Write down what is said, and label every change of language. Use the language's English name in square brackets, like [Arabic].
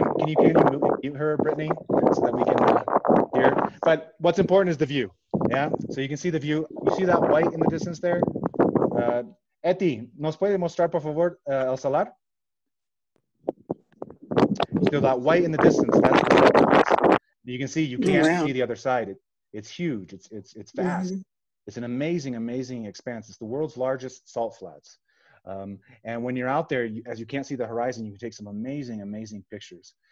[English] Can you mute her, Brittany, so that we can hear? But what's important is the view. Yeah. So you can see the view. You see that white in the distance there? [Spanish] Eti, ¿nos puede mostrar, por favor, el salar? [English] So that white in the distance. That's you can see. You can't see the other side. It's huge. It's fast. Mm-hmm. It's an amazing, amazing expanse. It's the world's largest salt flats. And when you're out there, as you can't see the horizon, you can take some amazing, amazing pictures.